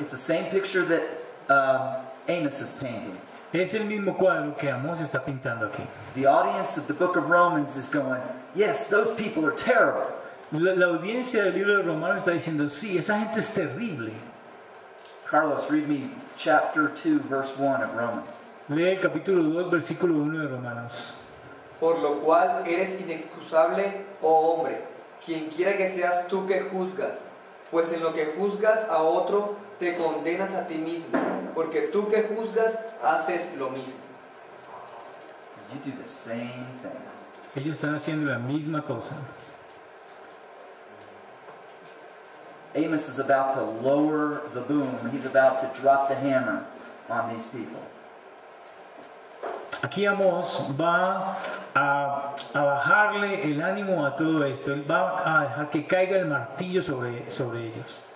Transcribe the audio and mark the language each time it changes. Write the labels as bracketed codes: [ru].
[en] It's the same picture that Amos is painting. [es] Es el mismo cuadro que Amos está pintando aquí. [en] The audience of the book of Romans is going, yes, those people are terrible. [es] La audiencia del libro de Romanos está diciendo, sí, esa gente es terrible. [en] Carlos, read me chapter 2, verse 1 of Romans. [es] Lee el capítulo 2, versículo 1 de Romanos. Por lo cual eres inexcusable, oh hombre, quienquiera que seas tú que juzgas, pues en lo que juzgas a otro, te condenas a ti mismo, porque tú que juzgas, haces lo mismo. [en] You do the same thing. [es] Ellos están haciendo la misma cosa. [en] Amos is about to lower the boom. He's about to drop the hammer on these people. [es] Aquí Amos va a bajarle el ánimo a todo esto. Él va a dejar que caiga el martillo sobre ellos.